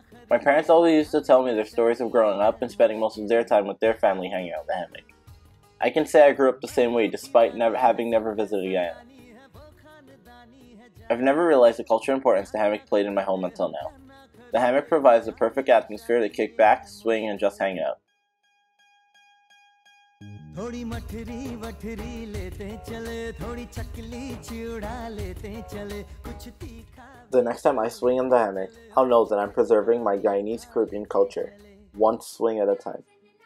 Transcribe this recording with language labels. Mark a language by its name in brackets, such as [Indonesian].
[English] My parents always used to tell me their stories of growing up and spending most of their time with their family hanging out in the hammock. I can say I grew up the same way despite having never visited Guyana. I've never realized the cultural importance the hammock played in my home until now. The hammock provides the perfect atmosphere to kick back, swing, and just hang out. [Hindi] थोड़ी मठरी वठरी लेते चले थोड़ी चकली चिड़ा लेते चले कुछ तीखा. [English] The next time I swing in the hammock, I'll know that I'm preserving my Guyanese Caribbean culture, one swing at a time.